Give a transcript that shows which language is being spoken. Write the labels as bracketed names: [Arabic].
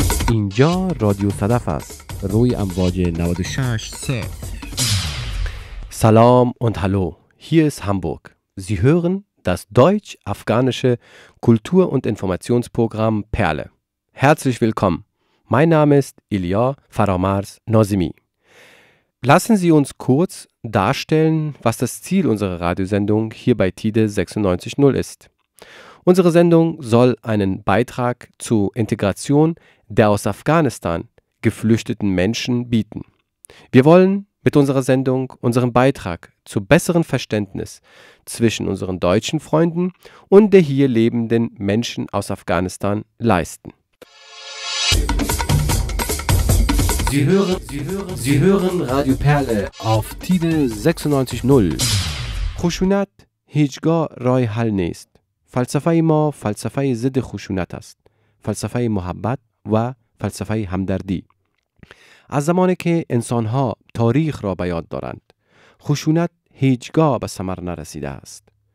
[Persian] اینجا رادیو صدف است، روی امواج 96.3. [German] سلام und hallo. Hier ist Hamburg. Sie hören das deutsch-afghanische Kultur- und Informationsprogramm Perle. Herzlich willkommen. Mein Name ist Ilya Faramarz Nozimi. Lassen Sie uns kurz darstellen, was das Ziel unserer Radiosendung hier bei TIDE 96.0 ist. Unsere Sendung soll einen Beitrag zur Integration der aus Afghanistan geflüchteten Menschen bieten. Wir wollen mit unserer Sendung unseren Beitrag zu besseren Verständnis zwischen unseren deutschen Freunden und der hier lebenden Menschen aus Afghanistan leisten. Sie hören Radio Perle auf TIDE 96.0. [Persian] خشونت هیچگاه رای حل نیست. فلسفه ما فلسفه ضد خشونت است. فلسفه محبت و فلسفه همدردی. از زمانی که انسان‌ها تاریخ را به یاد دارند، خشونت هیچگاه به ثمر نرسیده است.